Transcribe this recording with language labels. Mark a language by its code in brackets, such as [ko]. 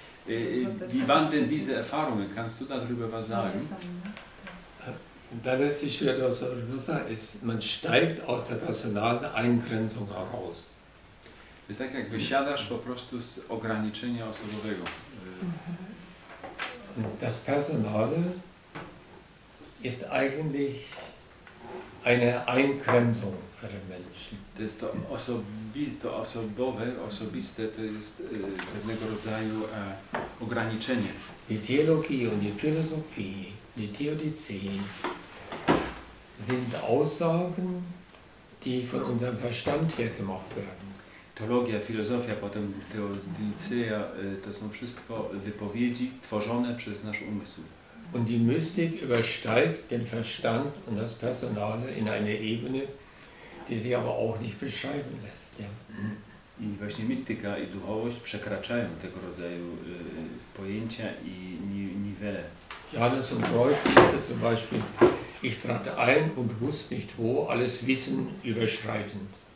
[de] Wie waren denn diese Erfahrungen? Kannst du darüber was sagen? Da lässt sich schwer daraus sagen, ist, man steigt aus der personalen Eingrenzung heraus. Es ist [pl] jak wysiadasz po prostu z ograniczenia osobowego. [de] Und das Personale ist eigentlich eine Eingrenzung für den Menschen. Das ist [pl] osobiste, to jest pewnego rodzaju ograniczenie. [de] Die Theologie und die Philosophie, die Theodizee, sind Aussagen, die von unserem Verstand her gemacht werden. [pl] Teologia, filozofia, potem teodicea, to są wszystko wypowiedzi tworzone przez nasz umysł. [de] Und die Mystik übersteigt den Verstand und das Personale in eine Ebene, die sich aber auch nicht beschreiben lässt. Ja. [pl] I właśnie mistyka i duchowość przekraczają tego rodzaju pojęcia i niwele. [de] Johannes und Reus sagte zum Beispiel, ich trat ein und wusste nicht wo, alles Wissen überschreitend.